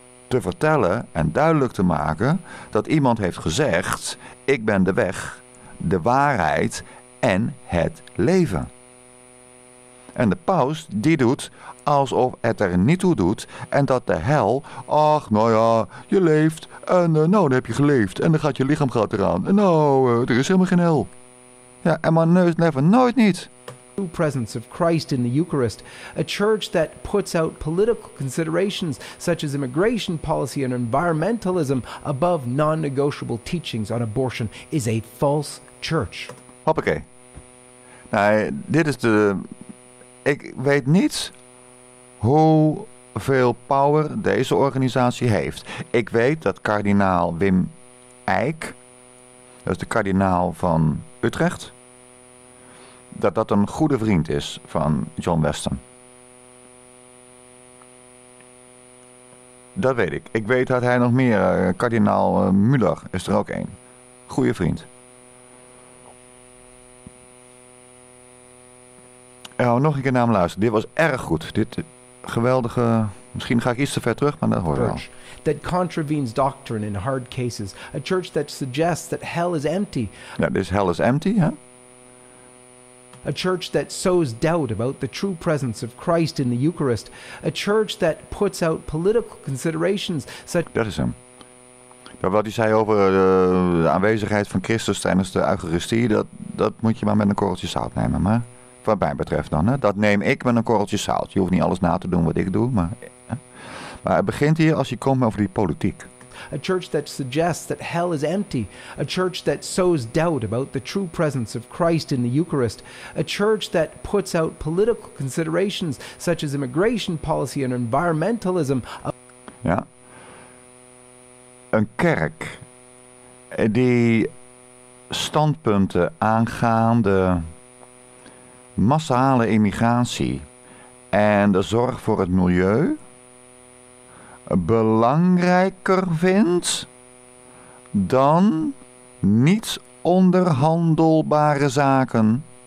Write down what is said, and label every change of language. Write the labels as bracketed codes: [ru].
[nl] te vertellen en duidelijk te maken dat iemand heeft gezegd: ik ben de weg, de waarheid en het leven. En de paus die doet alsof het er niet toe doet en dat de hel, ach nou ja, je leeft en nou dan heb je geleefd en dan gaat je lichaam gaat eraan. En nou, er is helemaal geen hel. Ja, en maar neus never, nooit niet. [en] The presence of Christ in the Eucharist, a church that puts out political considerations such as immigration policy and environmentalism above non-negotiable teachings on abortion, is a false church. [nl] Hoppakee. Nou, dit is de... Ik weet niet hoeveel power deze organisatie heeft. Ik weet dat kardinaal Wim Eijk, dat is de kardinaal van Utrecht, dat dat een goede vriend is van John Weston. Dat weet ik. Ik weet dat hij nog meer, kardinaal Müller is er ook een. Goede vriend. Nog een keer naar hem luisteren. Dit was erg goed. Dit geweldige... Misschien ga ik iets te ver terug, maar dat hoor je wel. [en] That contravenes doctrine in hard cases. A church that suggests that hell is empty. [nl] Ja, dus [en] hell is empty, [nl] hè? [en] A church that sows doubt about the true presence of Christ in the Eucharist. A church that puts out political considerations such... [nl] Dat is hem. Dat wat hij zei over de aanwezigheid van Christus tijdens de Eucharistie, dat moet je maar met een korreltje zout nemen, maar... Wat mij betreft dan, hè? Dat neem ik met een korreltje zout. Je hoeft niet alles na te doen wat ik doe, maar... Hè? Maar het begint hier als je komt over die politiek. [en] A church that suggests that hell is empty. A church that sows doubt about the true presence of Christ in the Eucharist. A church that puts out political considerations such as immigration policy and environmentalism. [nl] Ja. Een kerk die standpunten aangaande massale immigratie en de zorg voor het milieu belangrijker vindt dan niet onderhandelbare zaken.